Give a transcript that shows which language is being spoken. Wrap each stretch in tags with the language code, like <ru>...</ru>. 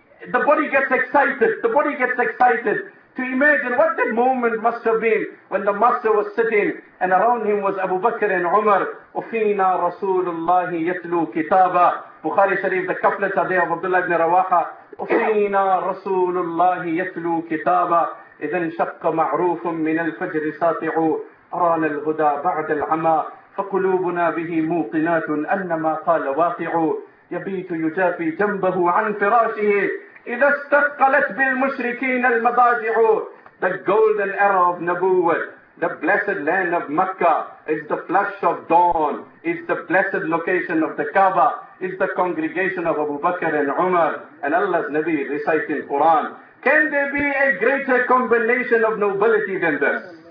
<en>the body gets excited. The body gets excited. To imagine what that moment must have been when the master was sitting and around him was Abu Bakr and Umar.</en> <ar>Ufina Rasulullah yatlu kitaba.</ar> <en>Bukhari Sharif, the couplets are there of Abdullah ibn Rawaha.</en> <ar>Ufina Rasulullah yatlu kitaba. إذن شق معروف من الفجر ساطع أرانا الهدى بعد العمى فقلوبنا به موقنات أنما قال واقع يبيت يجافي جنبه عن فراشه إذا استقلت بالمشركين المضاجع.</ar> <en>The golden era of Nabuwat, the blessed land of Mecca, is the flush of dawn, is the blessed location of the Kaaba, is the congregation of Abu Bakr and Umar, and Allah's Nabi reciting Quran. Can there be a greater combination of nobility than this?</en>